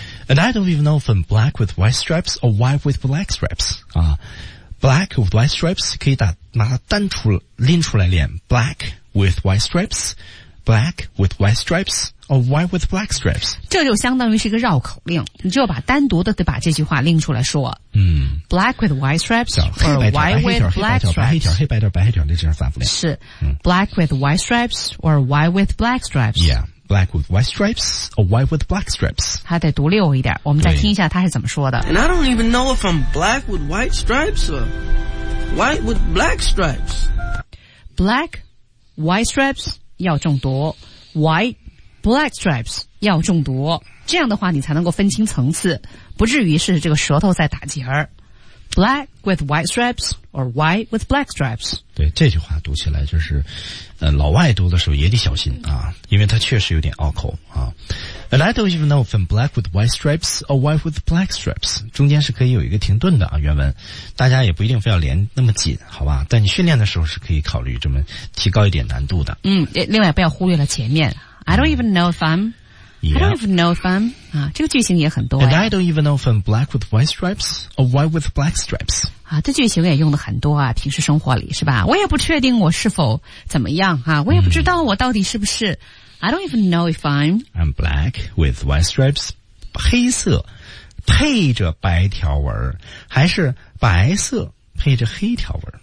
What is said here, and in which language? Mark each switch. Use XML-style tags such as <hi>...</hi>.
<en>And I don't even know if I'm black with white stripes or why with black stripes, 啊 ,black with white stripes</en> <zh>可以打拿它单出拎出来练</zh> <en>,black with white stripes, black with white stripes,Or why with black stripes?</en> <zh>这就相当于是一个绕口令，你就把单独的得把这句话拎出来说。嗯</zh> <en>，black with white stripes，</en> <zh>黑白条，黑条，黑白条，白黑条，黑白条，白黑条，这这样反复练。</zh> <en>是、嗯、，black with white stripes or why with black stripes? Yeah，black with white stripes or why with black stripes?</en> <zh>还得读溜一点，我们再听一下他是怎么说的。</zh> <en>And I don't even know if I'm black with white stripes or white with black stripes. Black, white stripes</en> <zh>要重读</zh> <en>，white。 Black stripes</en> <zh>要中毒，这样的话你才能够分清层次，不至于是这个舌头在打结。</zh> <en>Black with white stripes or white with black stripes？</en> <zh>对，这句话读起来就是，老外读的时候也得小心啊，因为它确实有点拗口啊。</zh> <en>And I don't even know if I'm black with white stripes or white with black stripes。</en> <zh>中间是可以有一个停顿的啊，原文，大家也不一定非要连那么紧，好吧？但你训练的时候是可以考虑这么提高一点难度的。嗯，另外不要忽略了前面。</zh> <en>I don't even know if I'm,、 yeah. I don't even know if I'm, 啊，</en> <zh>这个句型也很多、</zh> <en>哎。 And I don't even know if I'm black with white stripes or white with black stripes.</en> <zh>啊，这句型也用的很多啊，平时生活里是吧？我也不确定我是否怎么样啊，我也不知道我到底是不是。</zh> <en>I don't even know if I'm. I'm black with white stripes,</en> <zh>黑色配着白条纹，还是白色配着黑条纹。</zh>